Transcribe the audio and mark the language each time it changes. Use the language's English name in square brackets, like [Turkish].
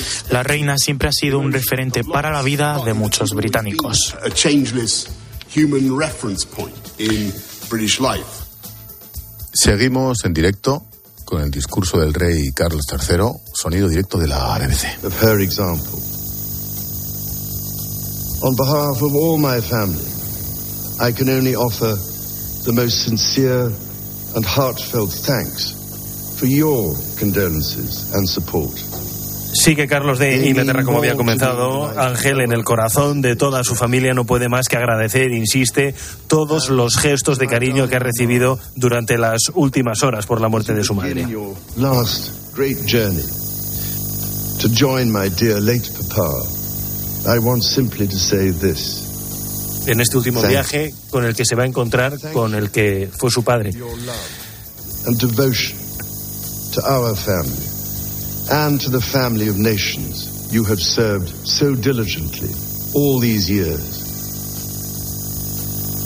[Spanish] La reina siempre ha sido un referente para la vida de muchos británicos. [English] Human reference point in British life. [Spanish] Seguimos en directo con el discurso del rey Carlos III, sonido directo de la BBC. [English] Of her example. On behalf of all my family, I can only offer the most sincere and heartfelt thanks for your condolences and support. [Spanish] Sigue Carlos de Inglaterra, como había comenzado Ángel, en el corazón de toda su familia no puede más que agradecer, insiste, todos los gestos de cariño que ha recibido durante las últimas horas por la muerte de su madre. [English] Last great journey to join my dear late papa. I want simply to say this. [Spanish] En este último viaje con el que se va a encontrar con el que fue su padre. [English] And devotion to our family. And to the family of nations you have served so diligently all these years.